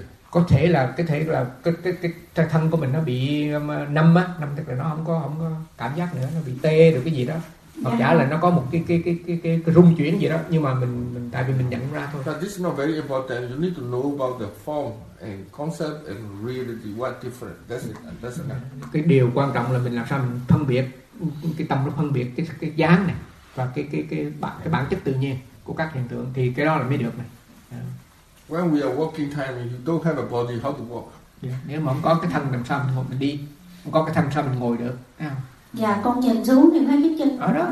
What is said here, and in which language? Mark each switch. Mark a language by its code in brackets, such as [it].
[vi] Có thể là cái thể là cái thân của mình nó bị nằm á, nằm thật là nó không có cảm giác nữa, nó bị tê rồi cái gì đó. Hoặc giả là nó có một cái rung chuyển gì đó, nhưng mà mình tại vì mình nhận ra thôi. [en] But this is not very important. You need to know about the form and concept and reality what different. That's [vi] cái điều quan trọng là mình làm sao mình phân biệt cái tâm nó phân biệt cái dáng này. Và cái bản chất tự nhiên của các hiện tượng thì cái đó là mới được này. [en] When we are walking time, if you don't have a body, how to walk? Yeah. [vi] Nếu mà không có cái thân làm sao mình đi, không có cái thân sao mình ngồi được. Dạ, con nhìn xuống thì thấy cái chân ở đó.